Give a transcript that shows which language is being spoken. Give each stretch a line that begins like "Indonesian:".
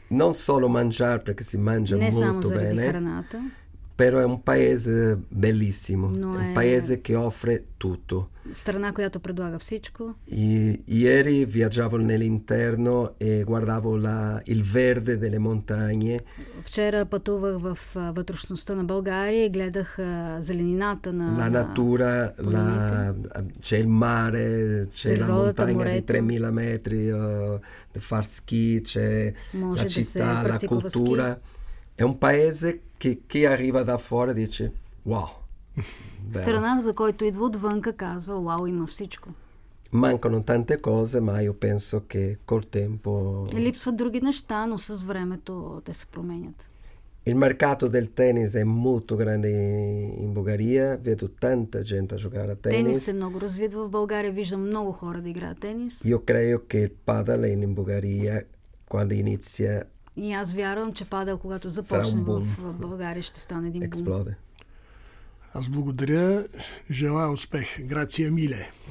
Italian: Non solo mangiare, perché si mangia ne molto bene, però è un paese bellissimo, no, è un paese che offre tutto.
Bulgarian: Страна, която предлага всичко.
Italian: Ieri viaggiavo nell'interno e guardavo il verde delle montagne.
Bulgarian: Вчера пътувах в вътрешността на България и гледах зеленината на
Italian: La natura, c'è il mare, c'è la montagna di 3000 metri, di far ski, c'è la città, la cultura. È un paese che chi arriva da fuori dice wow.
Bulgarian: Страна, за който идва отвънка, казва, вау, има всичко.
Italian: Mancano tante cose, ma io penso che col tempo...
Bulgarian: Липсват други неща, но с времето те се променят.
Italian: Il mercato del tennis è molto grande in Bulgaria. Vedo tanta gente a giocare a tennis.
Bulgarian: Тенис е много развит в България. Виждам много хора да играят тенис.
Italian: Io credo che il padel in Bulgaria, quando inizia...
Bulgarian: И аз вярвам, че падел, когато започне в България, ще стане един бум. Експлоде. Аз благодаря. Желая успех.
Italian: Грация миле.